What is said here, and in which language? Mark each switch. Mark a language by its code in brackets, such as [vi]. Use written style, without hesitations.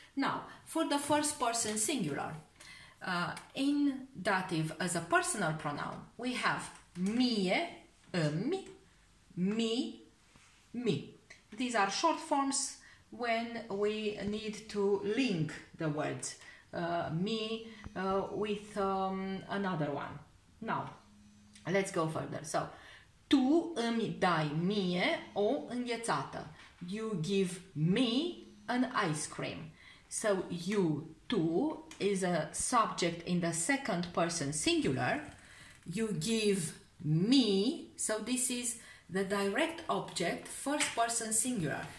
[en] Now, for the first person singular, in dative as a personal pronoun, we have mie, îmi, mi, mi. These are short forms when we need to link the words mi with another one. Now, let's go further. [ro] So, tu îmi dai mie o înghețată. [en] You give me an ice cream. So, you, tu, is a subject in the second person singular. You give me, so this is the direct object, first person singular.